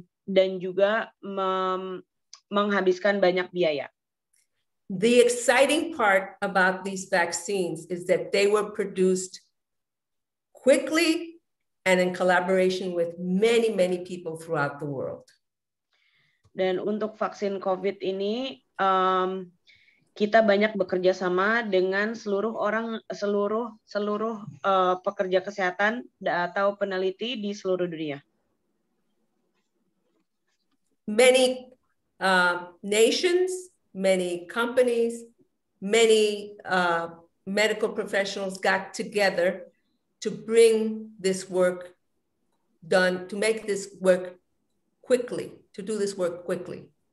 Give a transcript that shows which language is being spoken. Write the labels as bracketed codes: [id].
[id] Dan juga menghabiskan banyak biaya. [en] The exciting part about these vaccines is that they were produced quickly and in collaboration with many, many people throughout the world. [id] Dan untuk vaksin COVID ini, kita banyak bekerja sama dengan seluruh pekerja kesehatan atau peneliti di seluruh dunia. [en] Many nations, many companies, many medical professionals got together to bring this work done, to make this work quickly, to do this work quickly.